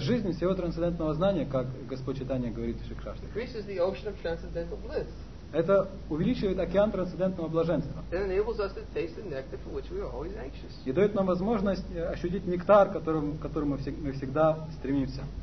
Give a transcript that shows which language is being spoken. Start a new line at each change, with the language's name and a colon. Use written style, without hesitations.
Russian: жизнь всего трансцендентного знания, как Господь Чайтанья говорит в Шикшасте.
English: Increases the ocean of transcendental bliss.
Russian: Это увеличивает океан трансцендентного блаженства.
English: It enables us to taste the nectar for which we are always anxious.
Russian: И дает нам возможность ощутить нектар, которому мы всегда стремимся.